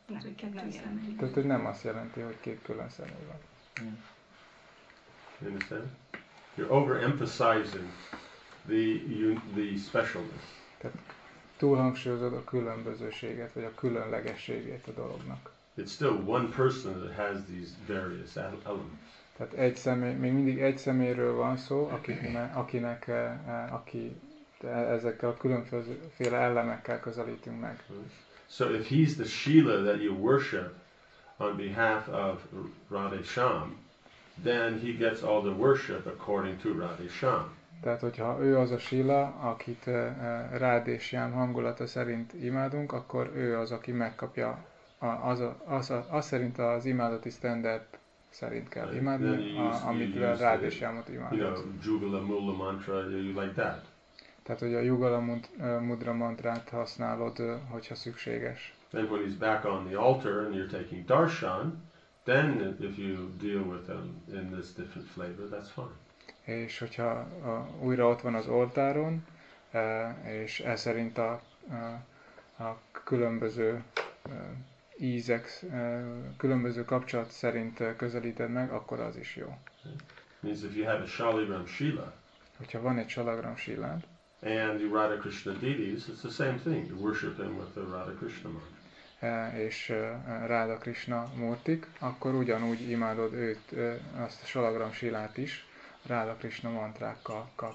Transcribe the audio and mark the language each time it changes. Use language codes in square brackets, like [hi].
[hu] Tehát, hogy kettő személy. Tehát, hogy nem azt jelenti, hogy két külön személy van. [en] You understand? You're overemphasizing the specialness. [hu] Tehát túlhangsúlyozod a különbözőséget, vagy a különlegességét a dolognak. [en] It's still one person that has these various elements. [hu] Tehát egy személy, még mindig egy személyről van szó, akinek aki ezekkel a különféle elemekkel közelítünk meg. [en] So if he's the Shila that you worship on behalf of Radhe Shyam, then he gets all the worship according to Radhe Shyam. [hu] Tehát hogyha ő az a Shila, akit Radhe Shyam hangulata szerint imádunk, akkor ő az, aki megkapja az szerint az imádati standard szerint kell imádni, amitől Radhe Shyamot imádhat. [en] You know, Jugala Mula mantra, you like that. [hu] Tehát, hogy a Jugala Mudra mantrát használod, hogyha szükséges. [en] Then when he's back on the altar and you're taking darshan, then if you deal with him in this different flavor, that's fine. [hu] És hogyha újra ott van az oltáron, és ez szerint a különböző ízek, különböző kapcsolat szerint közelíted meg, akkor az is jó. [en] Means if you have a Shaligram Shila. [hu] Hogyha van egy Shaligram Shilád. [en] And the Radha Krishna deities, it's the same thing. You worship him with the Radha Krishna mantra. [hu] És Radha Krishna murtik, akkor ugyanúgy imádod őt, azt a Shaligram Shilát is, Radha Krishna mantrákkal.